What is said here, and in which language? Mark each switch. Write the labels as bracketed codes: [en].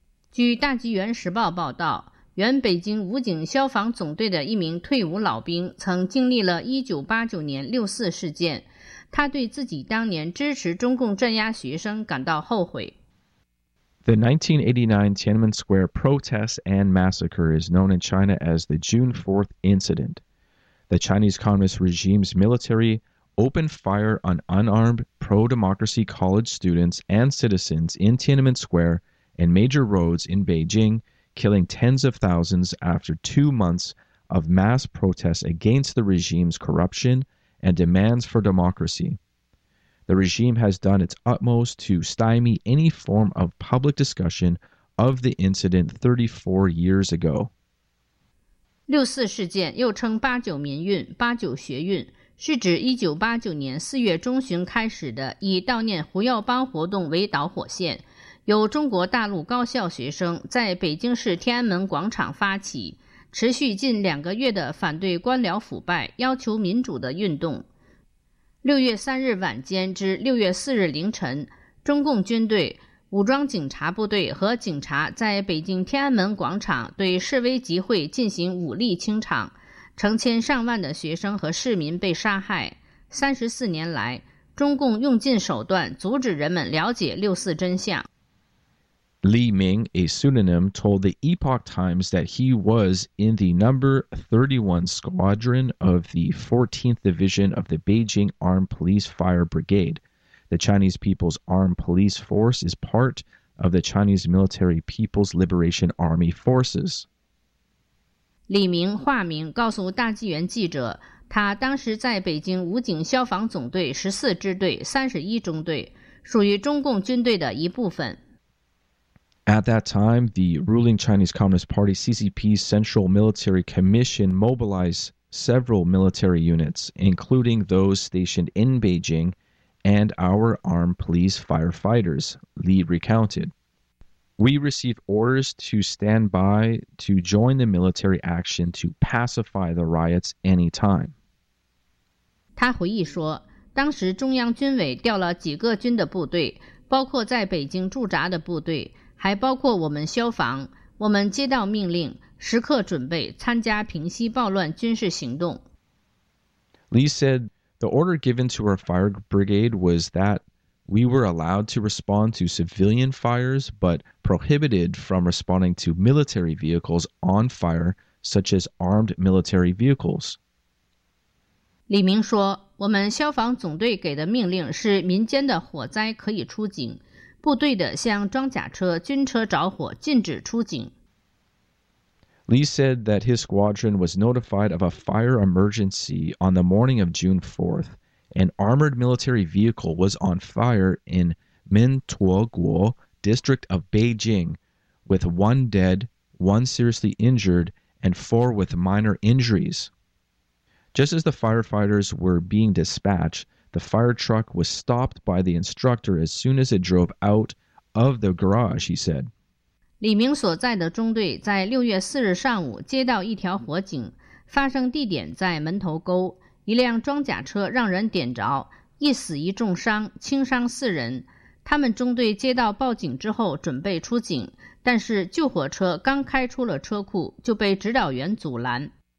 [zh] 据《大纪元时报》报道，原北京武警消防总队的一名退伍老兵曾经历了1989年六四事件，他对自己当年支持中共镇压学生感到后悔。 [en] The 1989 Tiananmen Square protests and massacre is known in China as the June 4th incident. The Chinese Communist regime's military opened fire on unarmed pro-democracy college students and citizens in Tiananmen Square and major roads in Beijing, killing tens of thousands after 2 months of mass protests against the regime's corruption and demands for democracy. The regime has done its utmost to stymie any form of public discussion of the incident 34 years ago. [zh] 六四事件又称八九民运、八九学运，是指1989年4月中旬开始的以悼念胡耀邦活动为导火线，由中国大陆高校学生在北京市天安门广场发起，持续近两个月的反对官僚腐败、要求民主的运动。 6月3日晚间至6月4日凌晨，中共军队、武装警察部队和警察在北京天安门广场对示威集会进行武力清场，成千上万的学生和市民被杀害。 34年来，中共用尽手段阻止人们了解六四真相。 [en] Li Ming, a pseudonym, told the Epoch Times that he was in the number 31 squadron of the 14th Division of the Beijing Armed Police Fire Brigade. The Chinese People's Armed Police Force is part of the Chinese Military People's Liberation Army Forces. [zh] Li Ming, 化名，告诉大纪元记者，他当时在北京武警消防总队14支队、31中队，属于中共军队的一部分。 [en] At that time, the ruling Chinese Communist Party CCP's Central Military Commission mobilized several military units, including those stationed in Beijing and our armed police firefighters, Li recounted. We received orders to stand by to join the military action to pacify the riots anytime. [zh] 他回忆说，当时中央军委调了几个军的部队，包括在北京驻扎的部队，还包括我们消防，我们接到命令，时刻准备参加平息暴乱军事行动。 [en] Li said, the order given to our fire brigade was that we were allowed to respond to civilian fires, but prohibited from responding to military vehicles on fire, such as armed military vehicles. [zh] 李明说，我们消防总队给的命令是民间的火灾可以出警，部队的像装甲车、军车着火禁止出警。 [en] Li said that his squadron was notified of a fire emergency on the morning of June 4th. An armored military vehicle was on fire in Mintuoguo district of Beijing, with one dead, one seriously injured, and four with minor injuries. Just as the firefighters were being dispatched,The fire truck was stopped by the instructor as soon as it drove out of the garage, he said. [zh] 李明所在的中队在6月4日上午接到一条火警，发生地点在门头沟，一辆装甲车让人点着，一死一重伤，轻伤四人。他们中队接到报警之后准备出警，但是救火车刚开出了车库就被指导员阻拦。